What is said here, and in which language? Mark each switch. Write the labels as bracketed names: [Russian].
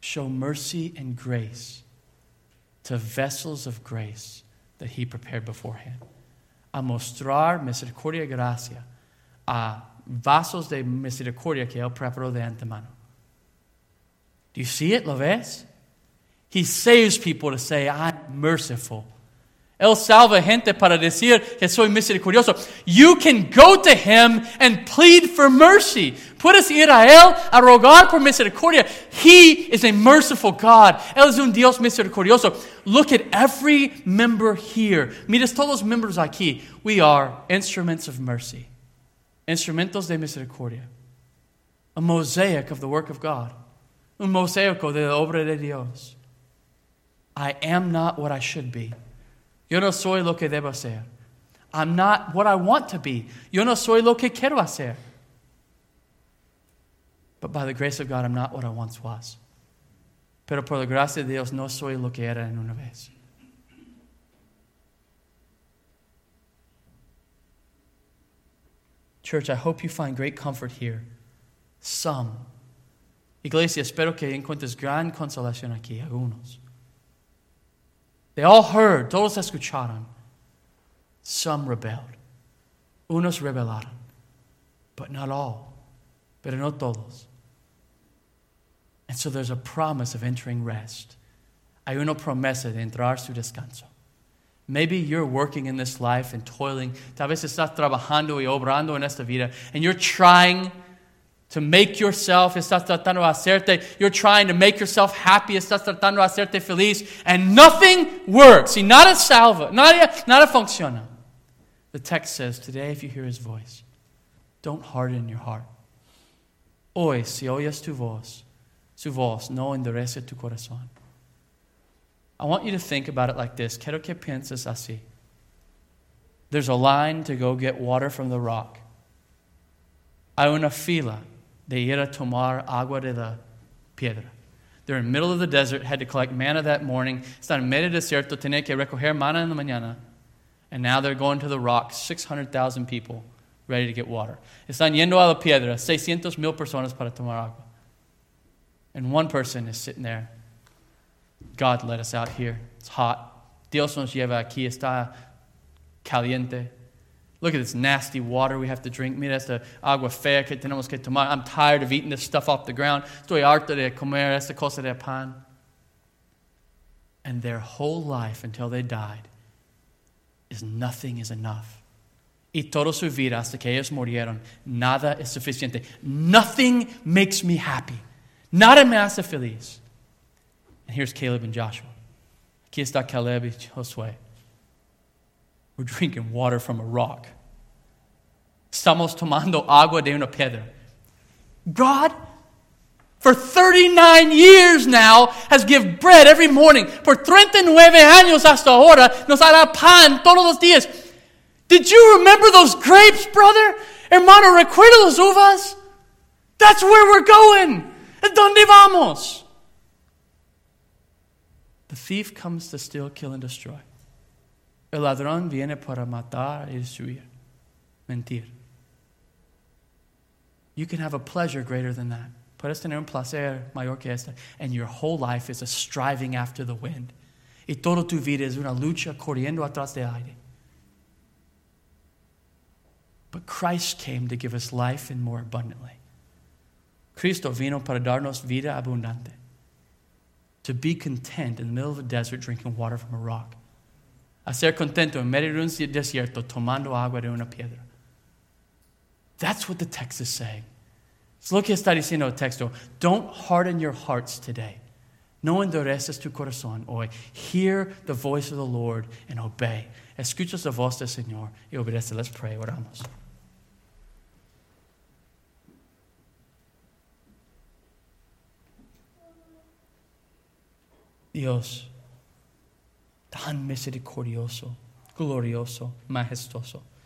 [English] Show mercy and grace to vessels of grace that he prepared beforehand. [Spanish] A mostrar misericordia y gracia a vasos de misericordia que él preparó de antemano. [English] Do you see it? [Spanish] ¿Lo ves? [English] He saves people to say, I'm merciful. [Spanish] Él salva gente para decir que soy misericordioso. [English] You can go to him and plead for mercy. [Spanish] Puedes ir a él a rogar por misericordia. [English] He is a merciful God. [Spanish] Él es un Dios misericordioso. [English] Look at every member here. [Spanish] Miras todos los miembros aquí. [English] We are instruments of mercy. [Spanish] Instrumentos de misericordia. [English] A mosaic of the work of God. [Spanish] Un mosaico de la obra de Dios. [English] I am not what I should be. [Spanish] Yo no soy lo que debo ser. [English] I'm not what I want to be. [Spanish] Yo no soy lo que quiero hacer. [English] But by the grace of God, I'm not what I once was. [Spanish] Pero por la gracia de Dios, no soy lo que era en una vez. [English] Church, I hope you find great comfort here. Some. [Spanish] Iglesia, espero que encuentres gran consolación aquí. Algunos. [English] They all heard. [Spanish] Todos escucharon. [English] Some rebelled. [Spanish] Unos rebelaron. [English] But not all. [Spanish] Pero no todos. [English] And so there's a promise of entering rest. [Spanish] Hay una promesa de entrar su descanso. [English] Maybe you're working in this life and toiling. [Spanish] Tal vez estás trabajando y obrando en esta vida. [English] And you're trying to make yourself. [Spanish] Estás tratando de hacerte. [English] You're trying to make yourself happy. [Spanish] Estás tratando de hacerte feliz. [English] And nothing works. [Spanish] Y nada salva. Nada funciona. [English] The text says, today if you hear his voice, don't harden your heart. [Spanish] Hoy, si oyes su voz, no endurece tu corazón. [English] I want you to think about it like this. [Spanish] Quiero que pienses así. [English] There's a line to go get water from the rock. [Spanish] Hay una fila de ir a tomar agua de la piedra. [English] They're in the middle of the desert, had to collect manna that morning. [Spanish] Están en medio del desierto, tenía que recoger manna en la mañana. [English] And now they're going to the rock, 600,000 people, ready to get water. [Spanish] Están yendo a la piedra, 600,000 personas para tomar agua. [English] And one person is sitting there. God let us out here. It's hot. [Spanish] Dios nos lleva aquí. Está caliente. [English] Look at this nasty water we have to drink. [Spanish] Mira esta agua fea que tenemos que tomar. [English] I'm tired of eating this stuff off the ground. [Spanish] Estoy harto de comer esta cosa de pan. [English] And their whole life until they died is nothing is enough. [Spanish] Y toda su vida hasta que ellos murieron, nada es suficiente. [English] Nothing makes me happy. [Spanish] Nada me hace feliz. [English] And here's Caleb and Joshua. [Spanish] Aquí está Caleb y Josué. [English] We're drinking water from a rock. [Spanish] Estamos tomando agua de una piedra. [English] God, for 39 years now, has given bread every morning. [Spanish] Por 39 años hasta ahora, nos ha dado pan todos los días. [English] Did you remember those grapes, brother? [Spanish] Hermano, ¿recuerda las uvas? [English] That's where we're going. [Spanish] ¿Dónde vamos? [English] The thief comes to steal, kill, and destroy. [Spanish] El ladrón viene para matar y destruir. Mentir. [English] You can have a pleasure greater than that. [Spanish] Puedes tener un placer mayor que este. [English] And your whole life is a striving after the wind. [Spanish] Y toda tu vida es una lucha corriendo atrás del aire. [English] But Christ came to give us life and more abundantly. [Spanish] Cristo vino para darnos vida abundante. [English] To be content in the middle of a desert drinking water from a rock. [Spanish] A ser contento en medio de un desierto tomando agua de una piedra. [English] That's what the text is saying. [Spanish] Es lo que está diciendo el texto. [English] Don't harden your hearts today. [Spanish] No endureces tu corazón hoy. [English] Hear the voice of the Lord and obey. [Spanish] Escucha la voz del Señor y obedece. [English] Let's pray. [Spanish] Oramos. Dios, tan misericordioso, glorioso, majestuoso.